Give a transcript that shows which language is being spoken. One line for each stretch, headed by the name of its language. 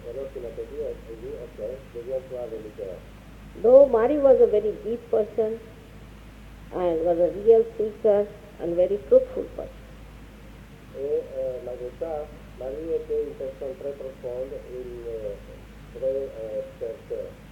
French: Alors qu'il m'a dit, elle dit, ok, deviens-toi le leader.
English: Though Marie was a very deep person, and was a real seeker, and very truthful person.
French: Et malgré ça, Marie était une personne très profonde, une très chercheur.